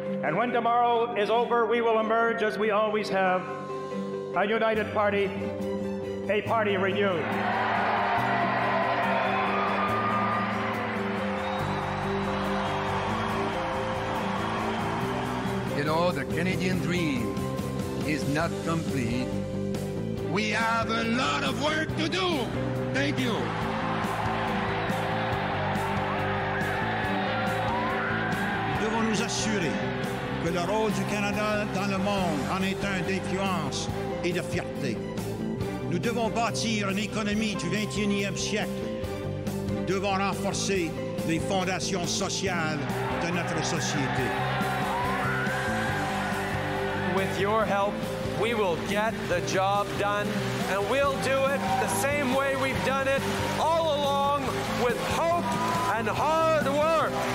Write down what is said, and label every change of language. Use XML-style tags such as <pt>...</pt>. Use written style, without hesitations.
<en>And when tomorrow is over, we will emerge as we always have, a united party, a party renewed. You know, the Canadian dream is not complete. We have a lot of work to do. Thank you.</en> <fr>Nous devons nous assurer que le rôle du Canada dans le monde en est un d'influence et de fierté. Nous devons bâtir une économie du 21e siècle. Nous devons renforcer les fondations sociales de notre société.</fr> <en>With your help, we will get the job done, and we'll do it the same way we've done it all along, with hope and hard work.</en>